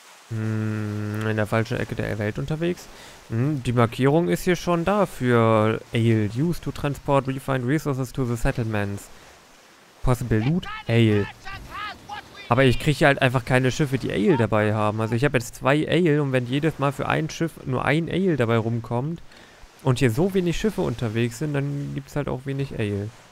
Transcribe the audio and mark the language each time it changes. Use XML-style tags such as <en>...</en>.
<de>In der falschen Ecke der Welt unterwegs. Die Markierung ist hier schon da für Ale.</de> <en>Used to transport refined resources to the settlements. Possible loot? Ale.</en> <de>Aber ich kriege hier halt einfach keine Schiffe, die Ale dabei haben. Also ich habe jetzt zwei Ale und wenn jedes Mal für ein Schiff nur ein Ale dabei rumkommt und hier so wenig Schiffe unterwegs sind, dann gibt es halt auch wenig Ale.</de>